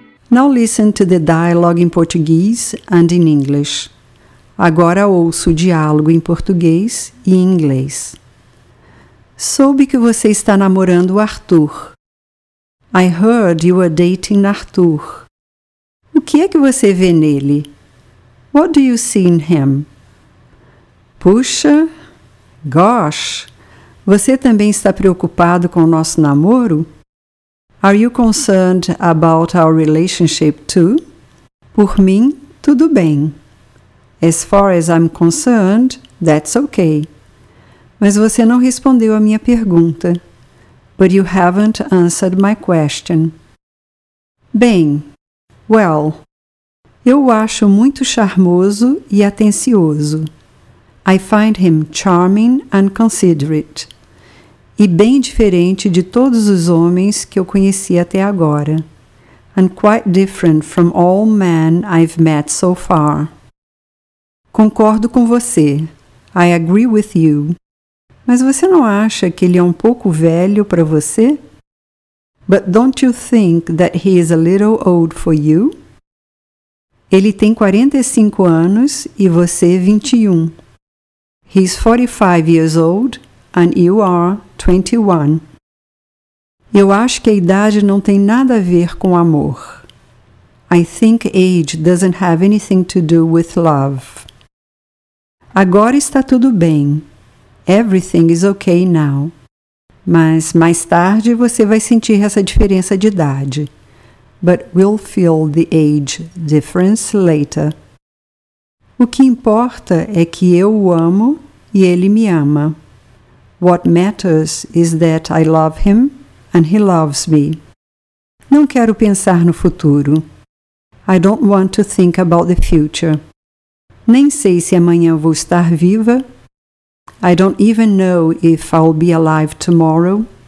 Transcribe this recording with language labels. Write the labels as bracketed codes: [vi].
[en] Now listen to the dialogue in Portuguese and in English. [pt] Agora ouço o diálogo em português e em inglês. Soube que você está namorando o Arthur. [en] I heard you are dating Arthur. [pt] O que é que você vê nele? [en] What do you see in him? [pt] Puxa! [en] Gosh! [pt] Você também está preocupado com o nosso namoro? [en] Are you concerned about our relationship too? [pt] Por mim, tudo bem. [en] As far as I'm concerned, that's okay. [pt] Mas você não respondeu a minha pergunta. [en] But you haven't answered my question. [pt] Bem, [en] well, [pt] eu o acho muito charmoso e atencioso. [en] I find him charming and considerate. [pt] E bem diferente de todos os homens que eu conheci até agora. [en] And quite different from all men I've met so far. [pt] Concordo com você. [en] I agree with you. [pt] Mas você não acha que ele é um pouco velho para você? [en] But don't you think that he is a little old for you? [pt] Ele tem 45 anos e você 21. [en] He's 45 years old and you are 21. [pt] Eu acho que a idade não tem nada a ver com amor. [en] I think age doesn't have anything to do with love. [pt] Agora está tudo bem. [en] Everything is okay now. [pt] Mas mais tarde você vai sentir essa diferença de idade. [en] But we'll feel the age difference later. [pt] O que importa é que eu o amo e ele me ama. [en] What matters is that I love him and he loves me. [pt] Não quero pensar no futuro. [en] I don't want to think about the future. [pt] Nem sei se amanhã vou estar viva. [en] I don't even know if I'll be alive tomorrow.